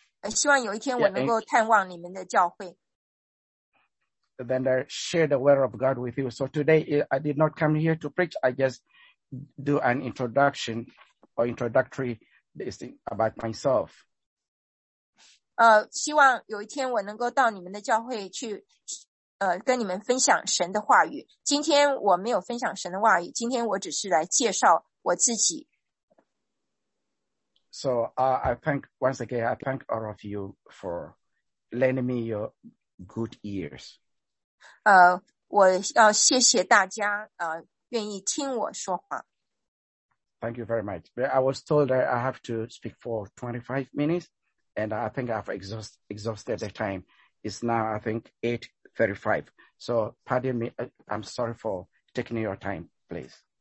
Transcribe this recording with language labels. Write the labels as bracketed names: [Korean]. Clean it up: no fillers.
[Chinese] 希望有一天我能够探望你们的教会。 [English] Then I share the word of God with you. So today I did not come here to preach. I just do an introduction or introductory this thing about myself. [Chinese] 希望有一天我能够到你们的教会去跟你们分享神的话语。今天我没有分享神的话语，今天我只是来介绍我自己。 [English] So, I thank, once again, I thank all of you for lending me your good ears. [Chinese] 我要谢谢大家愿意听我说话。 [English] Thank you very much. I was told that I have to speak for 25 minutes, and I think I've exhausted the time. It's now, I think, 8:35. So, pardon me, I'm sorry for taking your time, please.